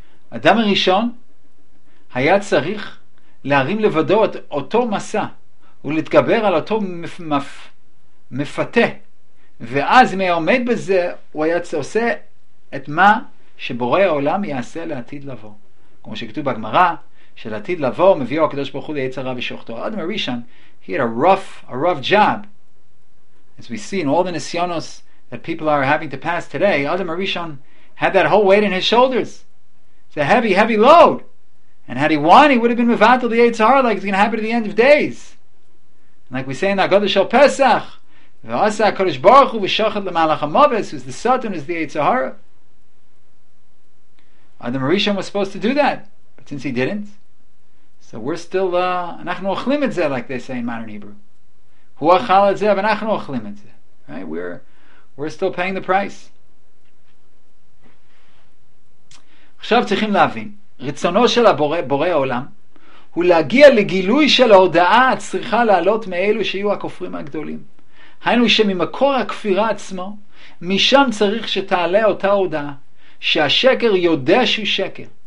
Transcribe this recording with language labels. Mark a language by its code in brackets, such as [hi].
[he] אדם הראשון היה צריך להרים לבדו את אותו מסע ולהתגבר על אותו מפתה ואז אם היה עומד בזה הוא היה עושה את מה שבורא העולם יעשה לעתיד לבוא כמו שכתוב בגמרא של עתיד לבוא מביאו הקדוש ברוך הוא ליצר רב ושוחתו אדם הראשון [en] he had a rough job as we see in all the nisyonos that people are having to pass today אדם הראשון had that whole weight in his shoulders the heavy, heavy load. And had he won, he would have been mevatel the Yetzer, like it's going to happen at the end of days. And like we say in the Agadah Shel Pesach, [he] V'asa HaKadosh Baruch Hu V'shachad L'malach HaMavis, [en] who's the Satan, who's the Yetzer. Adam Rishon was supposed to do that, but since he didn't, so we're still, [he] Anachnu Ochlim Et Zeh, [en] like they say in modern Hebrew. [he] Hu Achal Et Zeh, V'Anachnu Ochlim Et Zeh. [en] Right? We're still paying the price. [he] עכשיו צריכים להבין, רצונו של הבורא העולם הוא להגיע לגילוי של ההודעה הצריכה לעלות מאלו שיהיו הכופרים הגדולים. היינו שממקור הכפירה עצמו, משם צריך שתעלה אותה הודעה, שהשקר יודע שהוא שקר.